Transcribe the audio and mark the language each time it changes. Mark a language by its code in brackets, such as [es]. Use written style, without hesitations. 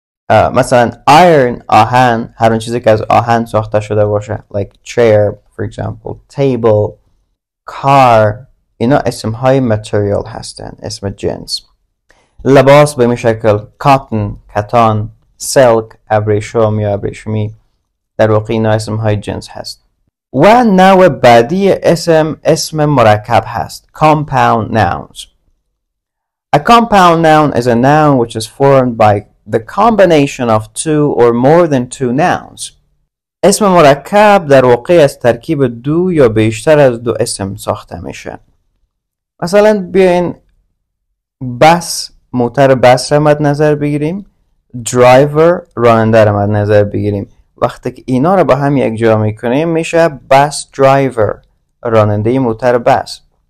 [fa] مثلا آیرن، آهن، هر اون چیزی که از آهن ساخته شده باشه، [en] like chair for example، [fa] table، car، اینا اسم های material هستن، اسم جنس. لباس به می شکل cotton، کتان، silk، ابریشم یا ابریشمی، در واقع اینا اسم های جنس هست. و نوع بعدی اسم، اسم مرکب هست، compound nouns. [en] A compound noun is a noun which is formed by the combination of two or more than two nouns. [fa] اسم مرکب در واقع از ترکیب دو یا بیشتر از دو اسم ساخته میشه. مثلا بیاین بس، موتر بس را مد نظر بگیریم، درایور، راننده را مد نظر بگیریم. وقتی که اینا را با هم یک جا میکنیم میشه بس درایور، راننده موتر بس.